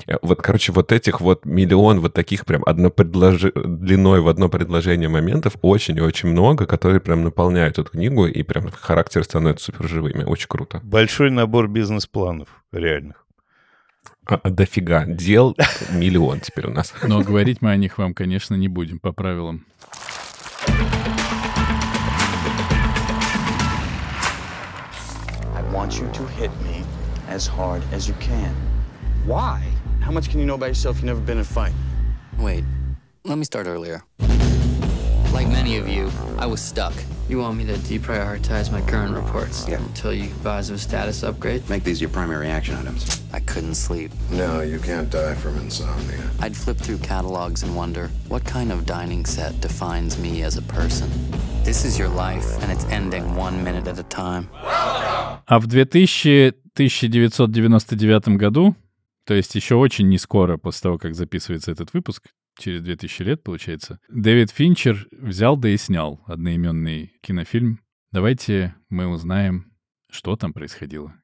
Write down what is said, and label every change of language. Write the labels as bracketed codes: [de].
[ru] Вот, короче, вот этих вот миллион вот таких прям длиной в одно предложение моментов очень и очень много, которые прям наполняют эту книгу и прям характер становится суперживыми. Очень круто. Большой набор бизнес-планов реальных. Дофига. Дел миллион теперь у нас. Но говорить мы о них вам, конечно, не будем по правилам. [en] I want you to hit me as hard as you can. Why? How much can you know about yourself if you've never been in a fight? Wait, let me start earlier. Like many of you, I was stuck. You want me to deprioritize my current reports? Yeah. Until you advise of a status upgrade? Make these your primary action items. I couldn't sleep. No, you can't die from insomnia. I'd flip through catalogs and wonder, what kind of dining set defines me as a person? This is your life, and it's ending one minute at a time. [ru] А в 1999 году, то есть еще очень нескоро после того, как записывается этот выпуск, через 2000 лет, получается, Дэвид Финчер взял да и снял одноименный кинофильм. Давайте мы узнаем, что там происходило.